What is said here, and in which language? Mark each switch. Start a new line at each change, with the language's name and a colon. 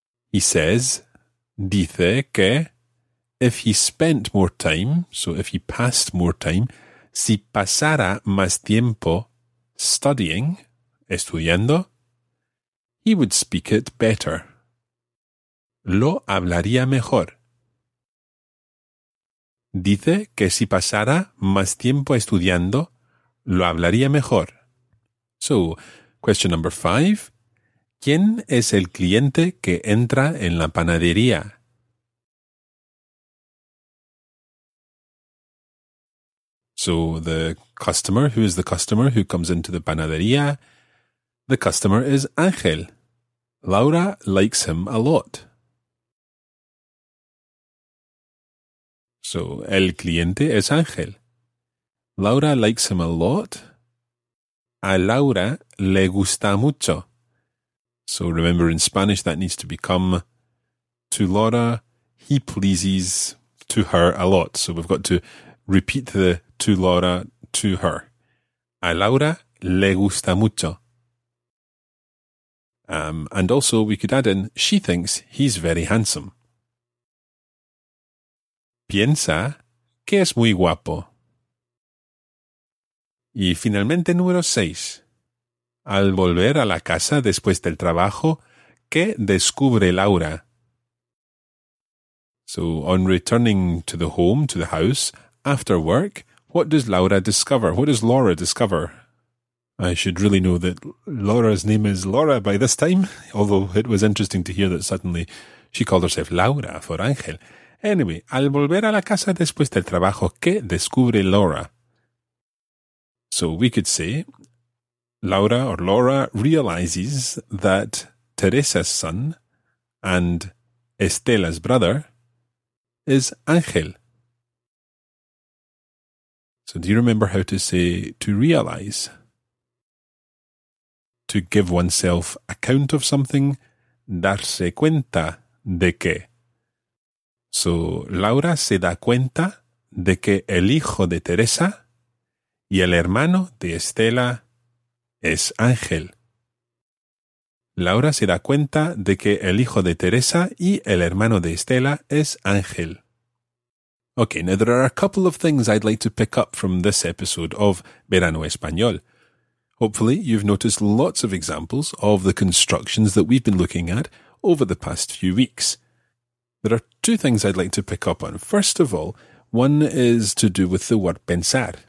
English: He says,
Spanish: dice que,
English: if he spent more time, so if he passed more time,
Spanish: si pasara más tiempo
English: studying, estudiando, he would speak it better.
Spanish: Lo hablaría mejor. Dice que si pasara más tiempo estudiando, lo hablaría mejor.
English: So, question number 5.
Spanish: ¿Quién es el cliente que entra en la panadería?
English: So, the customer, who is the customer who comes into the panadería? The customer is Ángel. Laura likes him a lot. So,
Spanish: el cliente es Ángel.
English: Laura likes him a lot.
Spanish: A Laura le gusta mucho.
English: So, remember in Spanish that needs to become to Laura, he pleases to her a lot. So, we've got to repeat the to Laura to her.
Spanish: A Laura le gusta mucho.
English: And also we could add in, she thinks he's very handsome.
Spanish: Piensa que es muy guapo. Y finalmente número 6. Al volver a la casa después del trabajo, ¿qué descubre Laura?
English: So on returning to the home, to the house, after work, what does Laura discover? What does Laura discover? I should really know that Laura's name is Laura by this time, although it was interesting to hear that suddenly she called herself Laura for Ángel.
Spanish: Anyway, al volver a la casa después del trabajo, ¿qué descubre Laura?
English: So we could say, Laura or Laura realizes that Teresa's son and Estela's brother is Ángel. So do you remember how to say to realize? To give oneself account of something,
Spanish: darse cuenta de que. Laura se da cuenta de que el hijo de Teresa y el hermano de Estela es Ángel. Laura se da cuenta de que el hijo de Teresa y el hermano de Estela es Ángel.
English: Okay, now there are a couple of things I'd like to pick up from this episode of Verano Español. Hopefully you've noticed lots of examples of the constructions that we've been looking at over the past few weeks. There are two things I'd like to pick up on. First of all, one is to do with the word pensar.